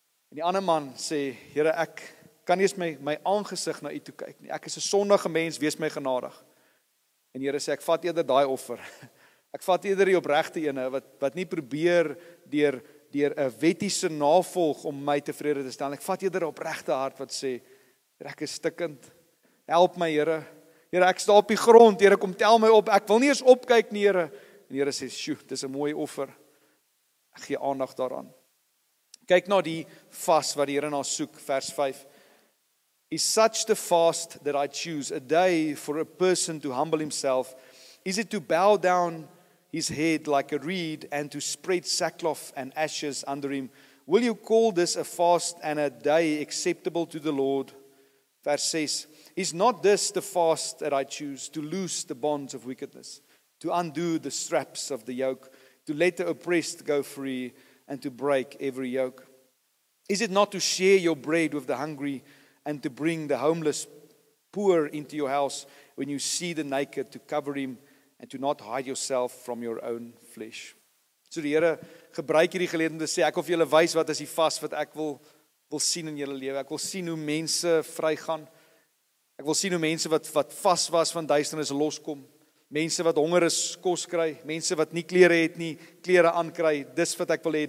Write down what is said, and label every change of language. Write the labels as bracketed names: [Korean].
[Afrikaans] en die ander man sê, Here, ek kan nie eens my aangesig na u toe kyk nie, ek is 'n sondige mens, wees my genadig, en Here sê, ek vat eerder daai offer, ek vat eerder die opregte ene, wat nie probeer deur 'n wettiese navolg om my tevrede te stel, ek vat eerder die opregte hart wat sê, ek is stikkend, help my Here, Here, ek sta op die grond, Here, kom tel my op, ek wil nie eens opkyk nie, Here. En Here sê, sjoe, dis 'n mooi offer, ek gee aandag daaraan. Kyk na die vas wat die Here na soek, vers 5. [English] Is such the fast that I choose, a day for a person to humble himself, is it to bow down his head like a reed and to spread sackcloth and ashes under him? Will you call this a fast and a day acceptable to the Lord? [Afrikaans] Vers 6. [English] Is not this the fast that I choose, to loose the bonds of wickedness, to undo the straps of the yoke, to let the oppressed go free, and to break every yoke? Is it not to share your bread with the hungry, and to bring the homeless poor into your house, when you see the naked, to cover him, and to not hide yourself from your own flesh? [Afrikaans] So die Here gebruik hierdie geleentheid om te sê, ek wil vir julle wys wat is die vast wat ek wil sien in julle lewe. Ek wil sien hoe mense vrygaan. Ek wil sien hoe mense wat vas was van duisternis loskom. Mense wat honger is, kos kry. Mense wat nie klere het nie, klere aankry. Dis wat ek wil hê.